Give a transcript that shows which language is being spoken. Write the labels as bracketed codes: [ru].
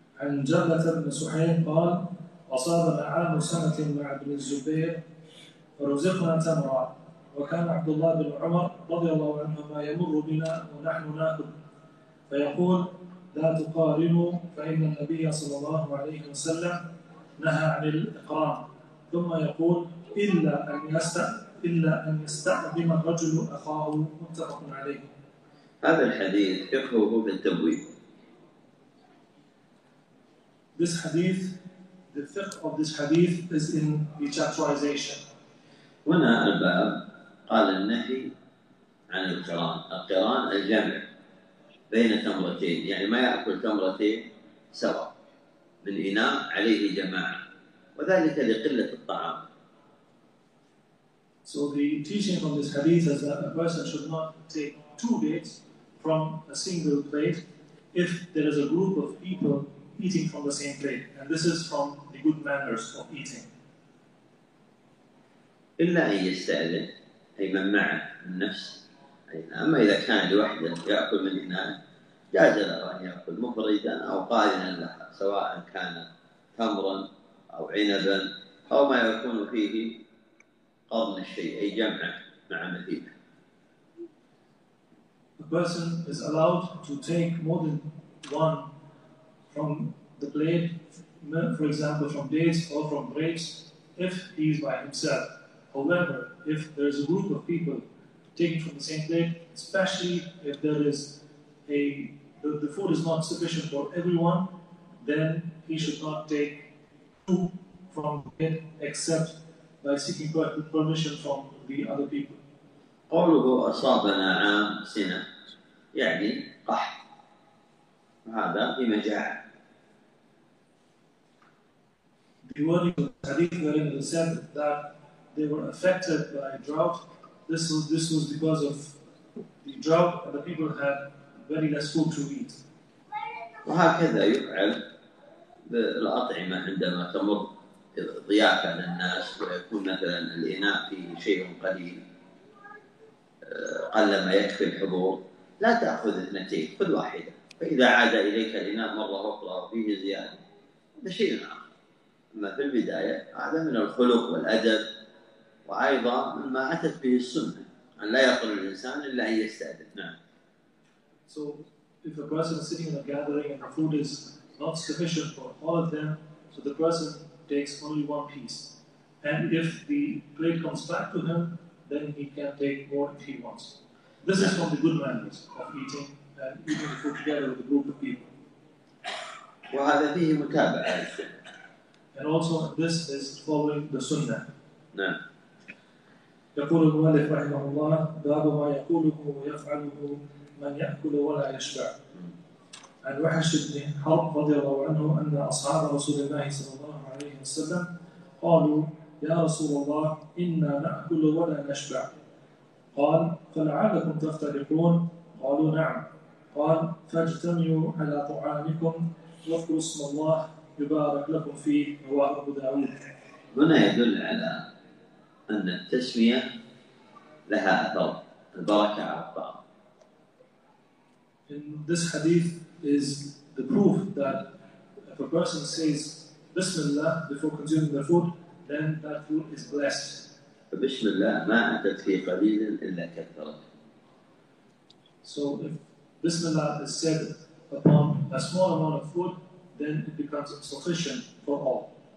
[ar] عن جبلة بن سحين قال أصابنا عام سنة مع ابن الزبير فرزقنا تمرا وكان عبد الله بن عمر رضي الله عنهما يمر بنا ونحن ناكل فيقول لا تقارنوا فإن النبي صلى الله عليه وسلم نهى عن الإقران ثم يقول إلا أن يستأذن الرجل أخاه. متفق عليه. هذا الحديث فقهه بالتبويب. [en] This hadith, the fiqh of this hadith is in the chapterization. [ar] هنا الباب قال النهي عن القران، القران الجمع بين تمرتين، يعني ما ياكل تمرتين سوا من اناء عليه جماعه، وذلك لقله الطعام. [en] So the teaching from this hadith is that a person should not take two dates from a single plate if there is a group of people eating from the same plate, and this is from the good manners of eating. [ar] الا ان يستاذن أي من معه من نفسه. أما إذا كان لوحده يأكل من هنا جاز له أن يأكل مفردا أو قارنا لها، سواء كان تمرا أو عنبا أو ما يكون فيه قرن الشيء، أي جمع مع مثيله. [en] A person is allowed to take more than one from the plate, for example from dates or from grapes, if he is by himself. However, if there is a group of people taking from the same plate, especially if there is the food is not sufficient for everyone, then he should not take from him except by seeking permission from the other people. [ar] قوله أصابنا عام سنة يعني قحط وهذا بمجاعة. [en] The wording of the hadith wherein it is said that they were affected by drought, this was because of the drought and the people had very less food to eat. [ar] وهكذا يفعل بالأطعمة عندما تمر ضيافة للناس ويكون مثلا الإناء فيه شيء قليل قل ما يكفي الحضور لا تأخذ اثنتين خذ واحدة فإذا عاد إليك الإناء مرة أخرى فيه زيادة هذا شيء آخر. أما في البداية هذا من الخلق والأدب وأيضا مما أتت به السنة أن لا يقل الإنسان إلا أن يستأذن. نعم. [en] So if a person is sitting in a gathering and the food is not sufficient for all of them, so the person takes only one piece. And if the plate comes back to him, then he can take more if he wants. This is from the good manners of eating and eating the food together with a group of people. [ar] وهذا فيه متابعة للسنة. [en] And also this is following the sunnah. [ar] نعم. يقول المؤلف رحمه الله باب ما يقوله ويفعله من يأكل ولا يشبع. عن وحش بن حرب رضي الله عنه أن أصحاب رسول الله صلى الله عليه وسلم قالوا يا رسول الله إنا نأكل ولا نشبع. قال فلعلكم تفترقون. قالوا نعم. قال فاجتمعوا على طعامكم واذكروا اسم الله يبارك لكم فيه رواه أبو داود. هنا يدل على أن التسمية لها أثر البركة على الطعام. [en] In this hadith is the proof that if a person says Bismillah before consuming the food, then that food is blessed. [ar] Bismillah ما أتت في قليل إلا كثرت. [en] So if Bismillah is said upon a small amount of food, then it becomes sufficient for all.